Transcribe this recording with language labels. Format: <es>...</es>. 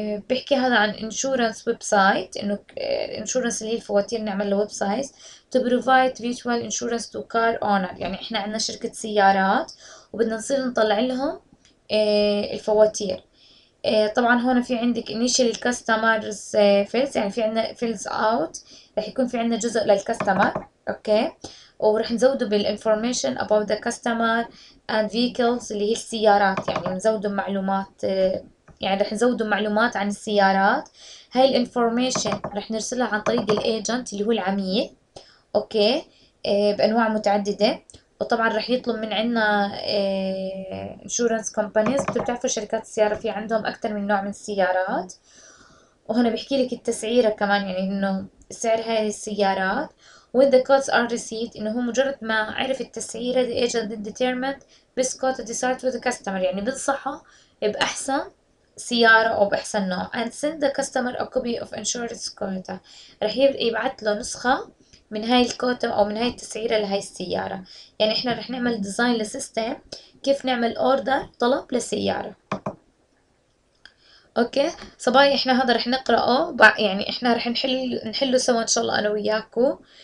<ar>بحكي هذا عن</ar> <en>insurance website، إنه insurance</en> <ar>اللي هي الفواتير نعمل له</ar> <en>website to provide virtual insurance to car owner.</en> <ar>يعني إحنا عندنا شركة سيارات وبدنا نصير نطلع لهم الفواتير. طبعا هون في عندك initial customers fills، يعني في عندنا fills out رح يكون في عندنا جزء للكاستمر اوكي، ورح نزوده بال</ar> <en>information about the customer and vehicles</en> <ar>اللي هي السيارات، يعني نزوده معلومات، يعني رح نزوده معلومات عن السيارات. هاي الinformation رح نرسلها عن طريق الagent اللي هو العميل اوكي، بأنواع متعددة. وطبعا رح يطلب من عندنا insurance companies. انتوا بتعرفوا شركات السيارة في عندهم اكتر من نوع من السيارات، وهنا بحكي لك التسعيرة كمان، يعني انه سعر هاي السيارات.</ar> <en>when the quotes are received</en> <ar>انه هو مجرد ما عرف التسعيرة</ar> <en>the agent determined best quote to decide with the customer،</en> <ar>يعني بنصحه باحسن سيارة او باحسن نوع.</ar> <en>and send the customer a copy of insurance quota.</en> <ar>رح يبعت له نسخة من هاي الكوتا او من هاي التسعيره لهاي السياره. يعني احنا رح نعمل ديزاين لسيستم كيف نعمل اوردر طلب لسياره. اوكي صبايا احنا هذا رح نقراه، يعني احنا رح نحله سوا ان شاء الله انا وياكو.</ar>